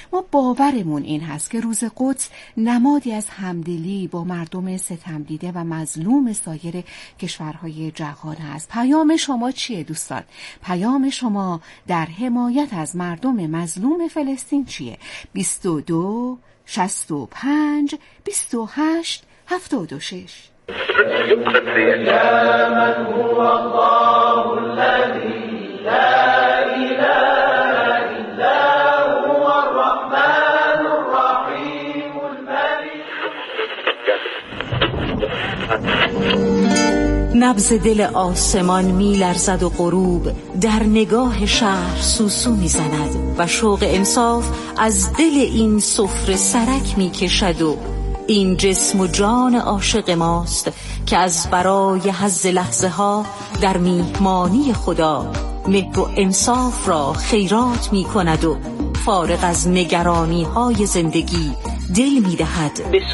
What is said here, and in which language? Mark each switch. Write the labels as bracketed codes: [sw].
[fa] ما باورمون این هست که روز قدس نمادی از همدلی با مردم ستم دیده و مظلوم سایر کشورهای جهان هست. پیام شما چیه دوستان؟ پیام شما در حمایت از مردم مظلوم فلسطین چیه؟ 22 65 28 726. [ar] يا من هو الله الذي لا إله إلا هو الرحمن الرحيم الملك. [fa] نبض دل آسمان می لرزد و غروب در نگاه شهر سوسو می زند و شوق انصاف از دل این سفر سرک می کشد و این جسم و جان عاشق ماست که از برای حظ لحظه ها در میهمانی خدا مهر و انصاف را خیرات می کند و فارغ از نگرانی های زندگی دل می دهد